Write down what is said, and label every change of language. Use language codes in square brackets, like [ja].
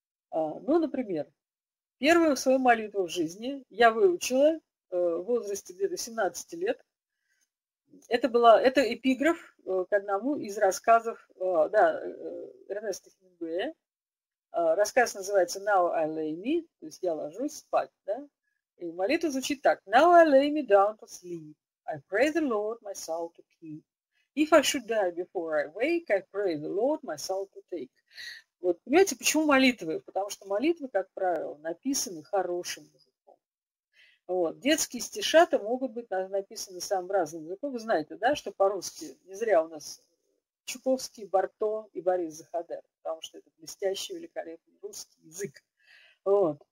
[ru] Ну, например, первую свою молитву в жизни я выучила в возрасте где-то 17 лет. Это эпиграф к одному из рассказов Эрнеста Хемингуэя. Рассказ называется [en] «Now I lay me», [ru] то есть «Я ложусь спать». Да? И молитва звучит так. [en] «Now I lay me down to sleep, I pray the Lord my soul to keep. If I should die before I wake, I pray the Lord my soul to take». [ru] Вот, понимаете, почему молитвы? Потому что молитвы, как правило, написаны хорошим языком. Вот. Детские стишата могут быть написаны самым разным языком. Вы знаете, да, что по-русски не зря у нас Чуковский, Барто и Борис Заходер, потому что это блестящий, великолепный русский язык. Вот.